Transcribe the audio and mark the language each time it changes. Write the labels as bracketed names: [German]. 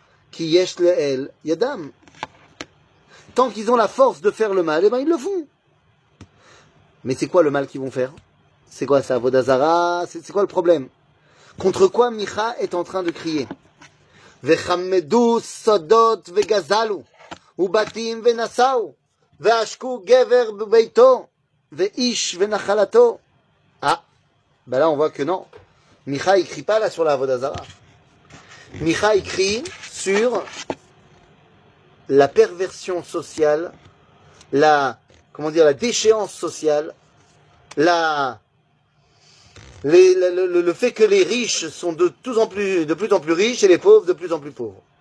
[Hebrew] Ki yesh le'el yadam. [French] Tant qu'ils ont la force de faire le mal, eh ben, ils le font. Mais c'est quoi le mal qu'ils vont faire? C'est quoi ça, Vodazara? C'est quoi le problème? Contre quoi Micha est en train de crier? [Hebrew] Vechamedu sodot vegazalu. ובתים ונסעו, ועשקו גבר בביתו, ואיש ונחלתו. [French] Ah, ben là on voit que non. Micha il crie pas là sur la Vodazara. Micha il crie sur la perversion sociale, la, comment dire, la déchéance sociale, le fait que les riches sont de plus en plus riches et les pauvres de plus en plus pauvres.